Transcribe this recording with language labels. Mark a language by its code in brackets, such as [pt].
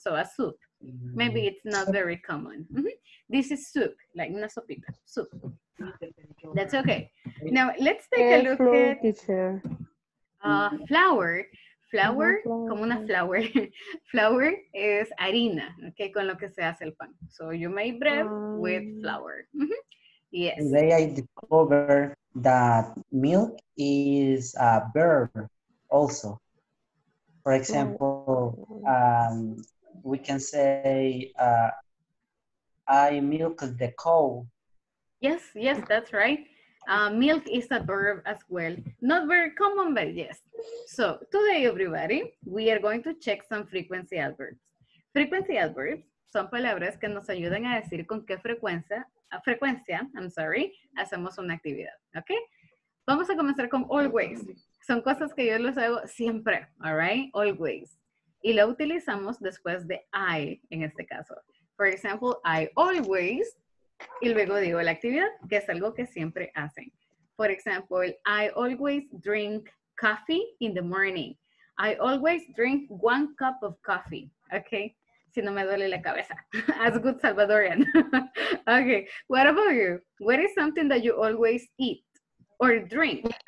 [en] So a soup. Maybe it's not very common. Mm-hmm. This is soup, like [es] una sopita. [en] Soup. That's okay. Now let's take a look at flour. Flour, como una flour. Flour is [es] harina, okay, con lo que se hace el pan. [en] So you make bread with flour. Mm-hmm. Yes. Today I discover that milk is a verb also. For example, we can say, I milk the cow. Yes, yes, that's right. Milk is a verb as well. Not very common, but yes. So today, everybody, we are going to check some frequency adverbs. [es] Frequency adverbs son palabras que nos ayudan a decir con qué frecuencia, [en] I'm sorry, [es] hacemos una actividad, ¿ok? Vamos a comenzar con always. Son cosas que yo los hago siempre, [en] all right? [es] Always. Y lo utilizamos después de I, en este caso. [en] For example, I always, [es] y luego digo la actividad, que es algo que siempre hacen. [en] For example, I always drink coffee in the morning. I always drink one cup of coffee, ¿ok? [es] Si no me duele la cabeza. [en] As good Salvadorian. Okay. What about you? What is something that you always eat or drink?